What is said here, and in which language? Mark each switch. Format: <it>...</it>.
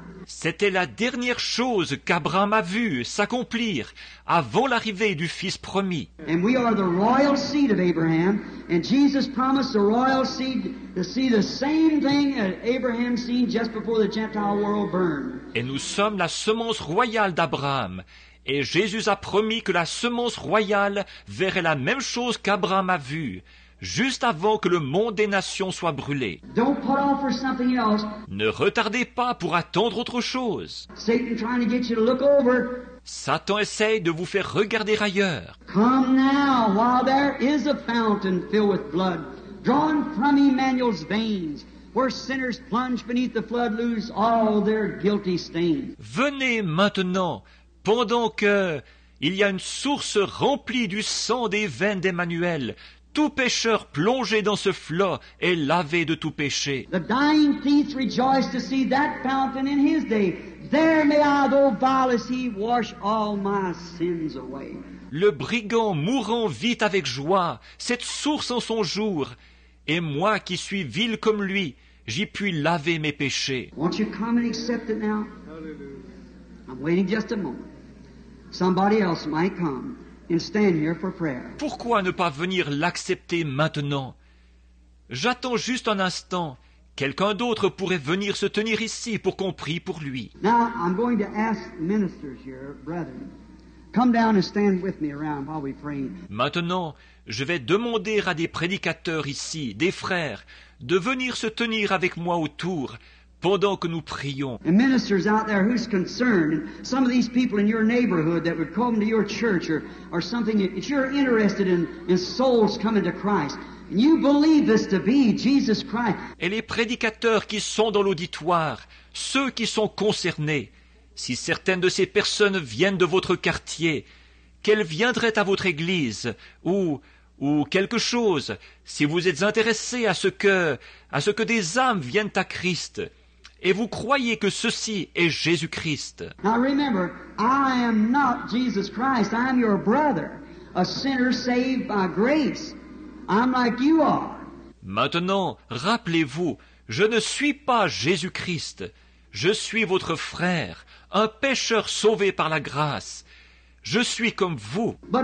<fr>C'était la dernière chose qu'Abraham a vue s'accomplir avant l'arrivée du Fils promis.</fr> <en>And we are the royal seed of Abraham, and Jesus promised the royal seed to see the same thing that Abraham seen just before the Gentile world burned.</en> <fr>Et nous sommes la semence royale d'Abraham. Et Jésus a promis que la semence royale verrait la même chose qu'Abraham a vue, juste avant que le monde des nations soit brûlé.</fr> <en>Don't put off for something else.</en> <fr>Ne retardez pas pour attendre autre chose.</fr> <en>Satan, trying to get you to look over.</en> <fr>Satan essaye de vous faire regarder ailleurs.</fr> <en>Come now, while there is a fountain filled with blood, drawn from Emmanuel's veins. Where sinners plunge beneath the flood, lose all their guilty stains.</en> <fr>Venez maintenant, pendant que il y a une source remplie du sang des veines d'Emmanuel, tout pécheur plongé dans ce flot est lavé de tout péché.</fr> <en>The dying thief rejoiced to see that fountain in his day. There may I, though vile as he, wash all my sins away.</en> <fr>Le brigand mourant vit avec joie cette source en son jour. Et moi qui suis vil comme lui, j'y puis laver mes péchés.</fr> <en>Won't you come and accept it now? Hallelujah. I'm waiting just a moment. Somebody else might come. and stand here for prayer.</en> <fr>Pourquoi ne pas venir l'accepter maintenant? J'attends juste un instant. Quelqu'un d'autre pourrait venir se tenir ici pour qu'on prie pour lui.</fr> <en>Now, I'm going to ask ministers here, brethren, come down and stand with me around while we pray.</en> <fr>Maintenant, je vais demander à des prédicateurs ici, des frères, de venir se tenir avec moi autour pendant que nous prions.</fr> <en>And ministers out there who's concerned, and some of these people in your neighborhood that would come to your church or something, if you're interested in souls coming to Christ, and you believe this to be Jesus Christ.</en> <fr>Et les prédicateurs qui sont dans l'auditoire, ceux qui sont concernés, si certaines de ces personnes viennent de votre quartier, qu'elles viendraient à votre église, ou quelque chose, si vous êtes intéressé à ce que des âmes viennent à Christ, et vous croyez que ceci est Jésus-Christ.</fr> <en>Now remember, I am not Jesus Christ, I am your brother, a sinner saved by grace. I'm like you are.</en> <fr>Maintenant, rappelez-vous, je ne suis pas Jésus-Christ, je suis votre frère, un pécheur sauvé par la grâce. Je suis comme vous.</fr>